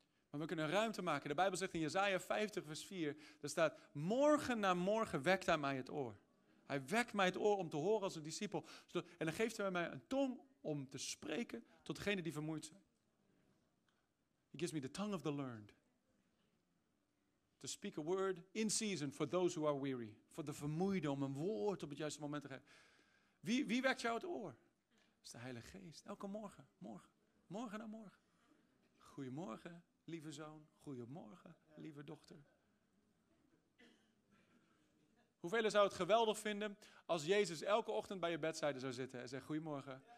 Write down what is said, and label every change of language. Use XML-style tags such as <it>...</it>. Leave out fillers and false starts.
<nl>Maar we kunnen ruimte maken. De Bijbel zegt in Jesaja 50 vers 4. Daar staat, morgen na morgen wekt hij mij het oor. Hij wekt mij het oor om te horen als een discipel. En dan geeft hij mij een tong om te spreken tot degene die vermoeid zijn.</nl> <en>He gives me the tongue of the learned. To speak a word in season for those who are weary.</en> <nl>Voor de vermoeide om een woord op het juiste moment te geven. Wie wekt jou het oor? Dat is de Heilige Geest. Elke morgen. Morgen. Morgen naar morgen. Goedemorgen, lieve zoon. Goedemorgen, lieve dochter. Hoeveel zou het geweldig vinden als Jezus elke ochtend bij je bedzijde zou zitten en zegt goedemorgen.</nl>